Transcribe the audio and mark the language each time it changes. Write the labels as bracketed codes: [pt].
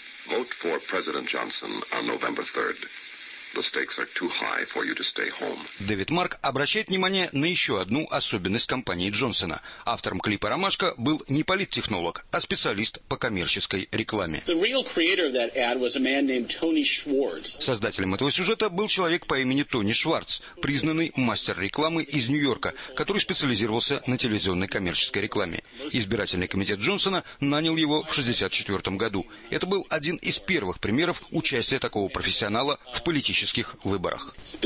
[en] Vote for President Johnson on November 3rd. The stakes are too high for you to stay home. [ru] Дэвид Марк обращает внимание на еще одну особенность компании Джонсона. Автором клипа «Ромашка» был не политтехнолог, а специалист по коммерческой рекламе. [en] The real creator of that ad was a man named Tony Schwartz. [ru] Создателем этого сюжета был человек по имени Тони Шварц, признанный мастер рекламы из Нью-Йорка, который специализировался на телевизионной коммерческой рекламе. Избирательный комитет Джонсона нанял его в 1964 году. Это был один из первых примеров участия такого профессионала в политических выборах.